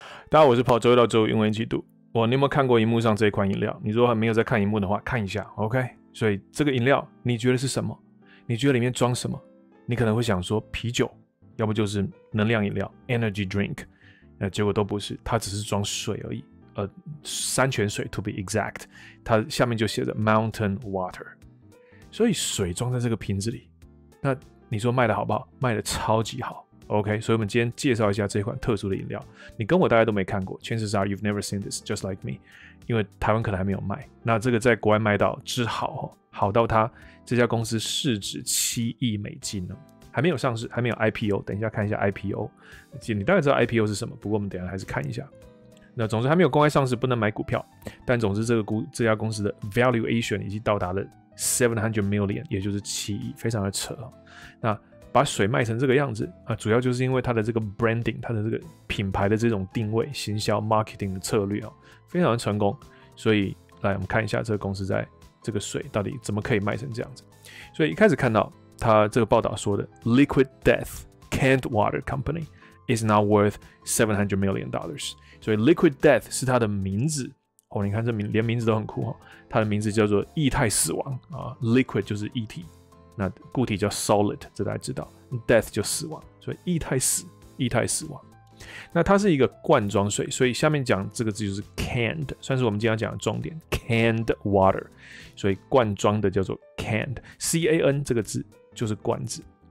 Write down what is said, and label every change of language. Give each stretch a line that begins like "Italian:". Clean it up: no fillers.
Chinese: 大家好，我是跑周一到周五英文一起读。哇，你有没有看过荧幕上这一款饮料？你如果还没有在看荧幕的话，看一下 ，OK？ 所以这个饮料你觉得是什么？你觉得里面装什么？你可能会想说啤酒，要不就是能量饮料 ，energy drink。结果都不是，它只是装水而已。山泉水 ，
English: to be exact，
Chinese: 它下面就写着 mountain water。所以水装在这个瓶子里，那你说卖的好不好？卖的超级好。OK， 所以我们今天介绍一下这款特殊的饮料。你跟我大家都没看过 ，
English: chances are you've never seen this just like me，
Chinese: 因为台湾可能还没有卖。那这个在国外卖到之好，好到它这家公司市值7亿美金呢，还没有上市，还没有 IPO。等一下看一下 IPO， 你大概知道 IPO 是什么，不过我们等一下还是看一下。那总之还没有公开上市，不能买股票。但总之这家公司的 valuation 已经到达了$700 million， 也就是7亿，非常的扯。那把水卖成这个样子、主要就是因为它的这个 branding， 它的这个品牌的这种定位、行销 marketing 的策略、非常的成功。所以来我们看一下这个公司在这个水到底怎么可以卖成这样子。所以一开始看到它这个报道说的 ，
English: Liquid Death Canned Water Company is now worth $700 million。
Chinese: 所以 Liquid Death 是它的名字。哦，你看这名连名字都很酷哈、哦，它的名字叫做液态死亡啊 ，liquid 就是液体，那固体叫 solid， 这大家知道 ，death 就死亡，所以液态死亡。那它是一个罐装水，所以下面讲这个字就是 canned， 算是我们今天要讲的重点 ，canned water， 所以罐装的叫做 canned，C-A-N 这个字就是罐子。